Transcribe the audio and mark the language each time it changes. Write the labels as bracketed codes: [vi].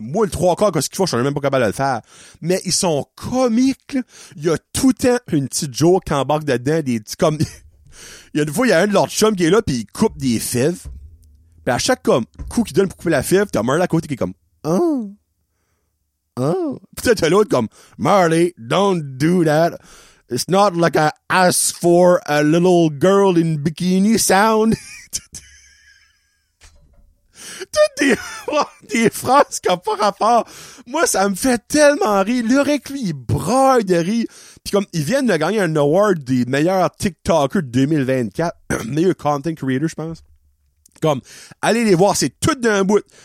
[fr] Moi, le 3/4, qu'est-ce qu'ils font, je suis même pas capable de le faire. Mais ils sont comiques, là. Il y a tout le temps une petite joke qui embarque dedans, des petits, comme, il y a une fois, il y a un de leurs chums qui est là, puis il coupe des fèves. Puis à chaque, comme, coup qu'il donne pour couper la fève, t'as Marley à côté qui est comme, peut-être l'autre comme Marley, [en] don't do that. It's not like I asked for a little girl in bikini sound. [fr] toutes des phrases qui n'ont pas rapport. Moi, ça me fait tellement rire. Le rec, lui, il braille de rire. Puis comme, ils viennent de gagner un award des meilleurs TikTokers de 2024. Meilleur content creator, je pense. Comme, allez les voir, c'est tout d'un bout.